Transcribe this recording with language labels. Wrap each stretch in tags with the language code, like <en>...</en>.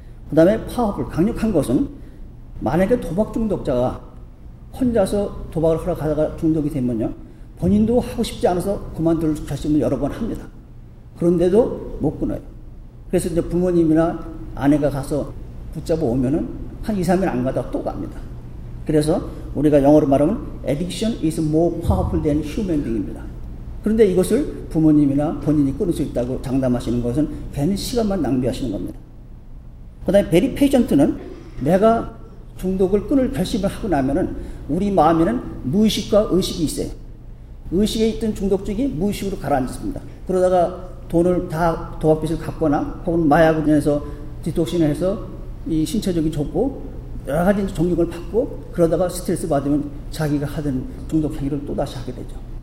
<ko>그 다음에 파워풀 강력한 것은 만약에 도박 중독자가 혼자서 도박을 하러 가다가 중독이 되면요 본인도 하고 싶지 않아서 그만둘 결심을 여러 번 합니다. 그런데도 못 끊어요. 그래서 이제 부모님이나 아내가 가서 붙잡아 오면은 한 2, 3일 안 가다가 또 갑니다. 그래서 우리가 영어로 말하면</ko> <en>Addiction is more powerful than human being</en> <ko>입니다. 그런데 이것을 부모님이나 본인이 끊을 수 있다고 장담하시는 것은 괜히 시간만 낭비하시는 겁니다. 그 다음에 Very Patient는 내가 중독을 끊을 결심을 하고 나면은 우리 마음에는 무의식과 의식이 있어요. 의식에 있던 중독증이 무의식으로 가라앉습니다. 그러다가 돈을 다 도박빚을 갚거나 혹은 마약으로 인해서 디톡싱을 해서 이 신체적이 좋고 여러 가지 종격을 받고 그러다가 스트레스 받으면 자기가 하던 중독 행위를 또다시 하게 되죠.</ko>